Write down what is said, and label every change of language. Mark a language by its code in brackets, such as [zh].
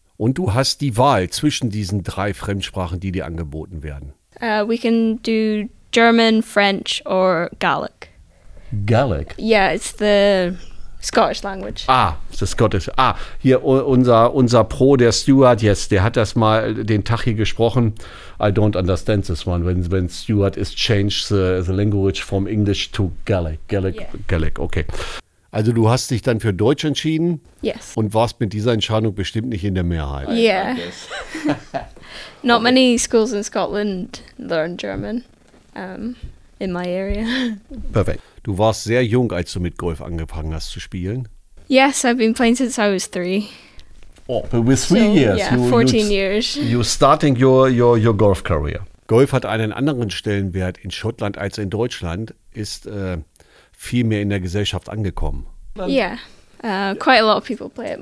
[de] Und du hast die Wahl zwischen diesen 3 Fremdsprachen, die dir angeboten werden. [en] We can do German, French or Gaelic. Gaelic? Yeah, it's the Scottish language. Ah, the Scottish. [de] Ah, hier unser Pro, der Stuart jetzt, der hat das mal den Tag hier gesprochen. [en] I don't understand this one. When Stuart is changed the language from English to Gaelic. Gaelic, yeah. Gaelic, okay. [de] Also du hast dich dann für Deutsch entschieden? [en] Yes. [de] Und warst mit dieser Entscheidung bestimmt nicht in der Mehrheit. [en] Yeah. Not many schools in Scotland learn German. In my area. [de] Perfekt. Du warst sehr jung, als du mit Golf angefangen hast zu spielen. [en] Yes, I've been playing since I was 3. Oh, but with 3 so, years. Yeah, 14 years. You starting your golf career. [de] Golf hat einen anderen Stellenwert in Schottland als in Deutschland, ist viel mehr in der Gesellschaft angekommen. [en] Yeah, quite a lot of people play it.